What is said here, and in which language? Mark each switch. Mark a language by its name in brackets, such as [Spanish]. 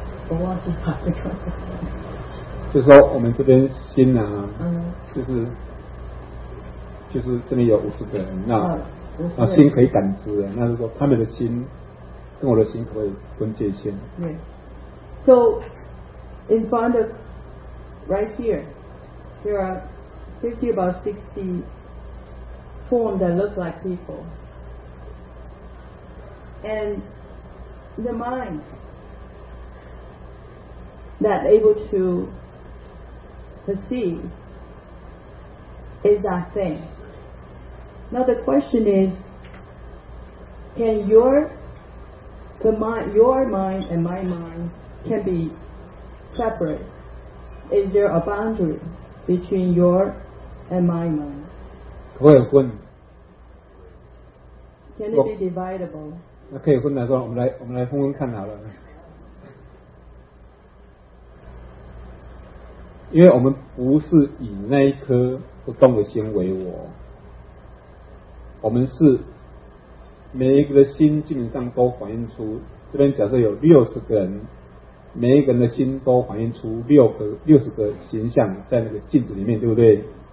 [English] I want to talk about it. [Chinese] 就是说我们这边心啊，就是这里有五十个人，那那心可以感知的，那是说他们的心跟我的心可不可以分界线？ [English] Yes. So, in front of right here, there are 50 about 60. Form that look like people, and the mind that able to perceive is that thing. Now the question is, can your mind and my mind can be separate? Is there a boundary between your and my mind? [Chinese] 可以混 [English] ，Can it be dividable？ [Chinese] 那可以混来说，我们来分分看好了。因为我们不是以那一颗不动的心为我，我们是每一个的心基本上都反映出，这边假设有六十个人，每一个人的心都反映出六十个形象在那个镜子里面，对不对？